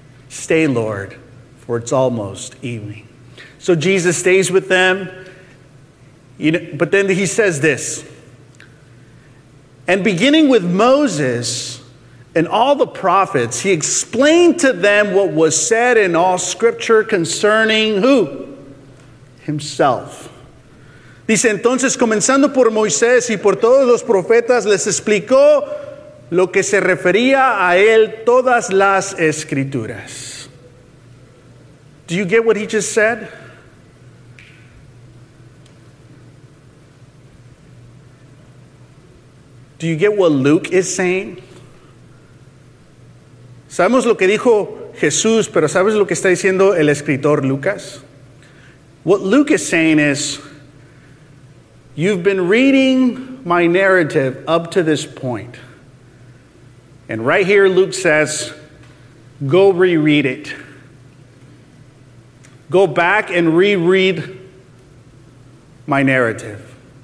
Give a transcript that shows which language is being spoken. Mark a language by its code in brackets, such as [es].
[en] Stay, Lord, for it's almost evening. So Jesus stays with them. You know, but then he says this. And beginning with Moses and all the prophets, he explained to them what was said in all scripture concerning who? Himself. [es] Dice, entonces, comenzando por Moisés y por todos los profetas, les explicó lo que se refería a él todas las escrituras. [en] Do you get what he just said? Do you get what Luke is saying? [es] Sabemos lo que dijo Jesús, pero ¿sabes lo que está diciendo el escritor Lucas? [en] What Luke is saying is, you've been reading my narrative up to this point. And right here Luke says, go reread it. Go back and reread my narrative.